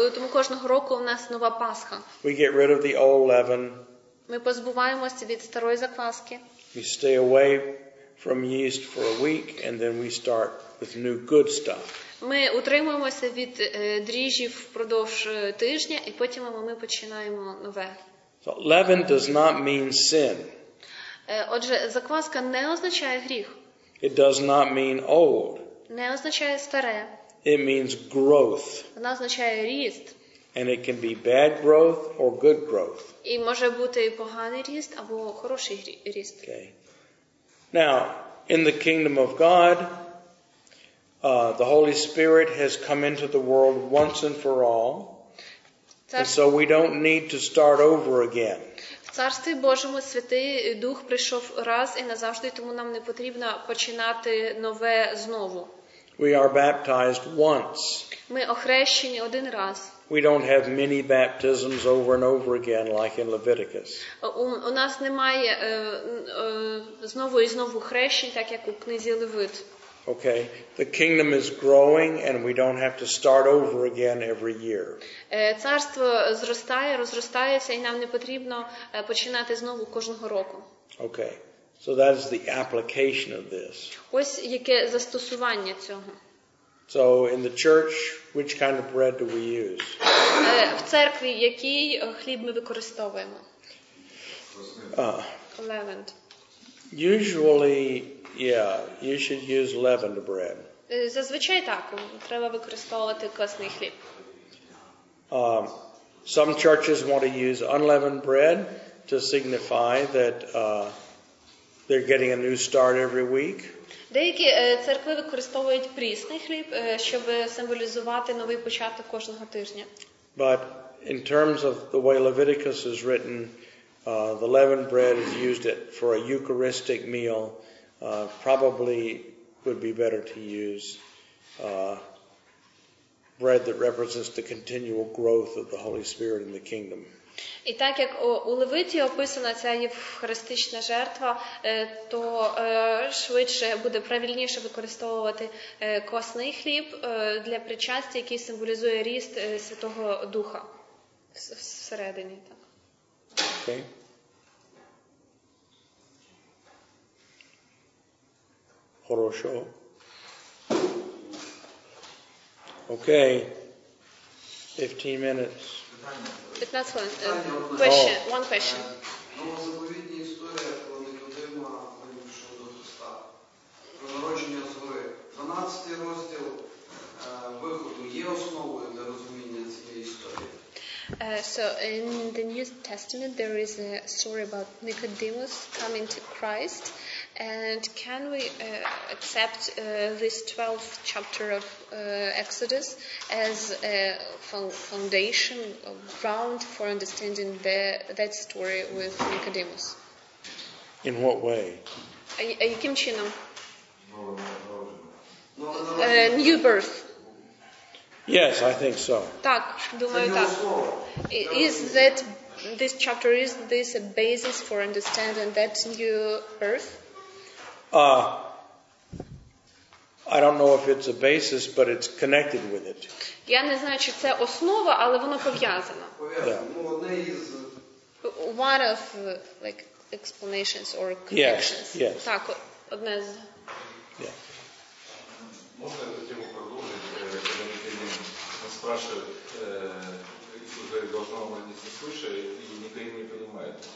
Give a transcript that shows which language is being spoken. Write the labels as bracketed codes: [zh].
[uk] Кожного року у нас нова Пасха. [en] We get rid of the old leaven. [uk] Ми позбуваємося від старої закваски. [en] We stay away from yeast for a week and then we start with new good stuff. [uk] Ми утримуємося від дріжджів впродовж тижня і потім ми починаємо нове. [en] So leaven does not mean sin. [uk] Отже, закваска не означає гріх. [en] It does not mean old. [uk] Не означає старе. [en] It means growth. [uk] Вона означає ріст. [en] And it can be bad growth or good growth. [uk] І може бути поганий ріст або хороший ріст. [en] Okay. Now, in the kingdom of God, the Holy Spirit has come into the world once and for all. And so we don't need to start over again. [uk] В Царстві Божому Святий Дух прийшов раз і назавжди, тому нам не потрібно починати нове знову. [en] We are baptized once. [uk] Ми охрещені один раз. [en] We don't have many baptisms over and over again like in Leviticus. [uk] У нас немає знову і знову хрещень, так як у книзі Левит. [en] Okay. The kingdom is growing and we don't have to start over again every year. [uk] Царство зростає, розростається і нам не потрібно починати знову кожного року. [en] Okay. So that is the application of this. [uk] Ось яке застосування цього. [en] So in the church, which kind of bread do we use? [uk] В церкві який хліб ми використовуємо? [en] Leavened. Usually, yeah, you should use leavened bread. [uk] Зазвичай так, треба використовувати квасний хліб. [en] Some churches want to use unleavened bread to signify that they're getting a new start every week. [uk] Деякі церкви використовують прісний хліб, щоб символізувати новий початок кожного тижня. [en] But in terms of the way Leviticus is written, the leavened bread is used for a Eucharistic meal. Probably would be better to use bread that represents the continual growth of the Holy Spirit in the kingdom. [uk] І так як у Левиті описана ця євхаристична жертва, то швидше буде правильніше використовувати квасний хліб для причастя, який символізує ріст Святого Духа всередині. Так. [en] Okay. [ru] Хорошо. [en] Okay. 15 minutes. But that's one question. Oh. One question. [uk] Новозаповідні історія про Нікодима, прийшов до Христа, про народження згори. 12 розділ виходу є основою для розуміння цієї історії. [en] So in the New Testament there is a story about Nicodemus coming to Christ, and can we accept this 12th chapter of Exodus as a foundation or ground for understanding that story with Nicodemus? In what way? [uk] Яким чином? [en] New birth. Yes, I think so. [uk] Так, думаю так. [en] Is that this chapter, is this a basis for understanding that new earth? I don't know if it's a basis, but it's connected with it. [uk] Я не знаю, чи це основа, але воно пов'язано. [en] One of like explanations or connections. Yes. [uk] Так, одне з. [en] Yeah. [uk] Можна я хотів продовжити, коли Нікодим нас спрашує, Ісус говорить, должно мені це слушає, і Нікодим не розуміє.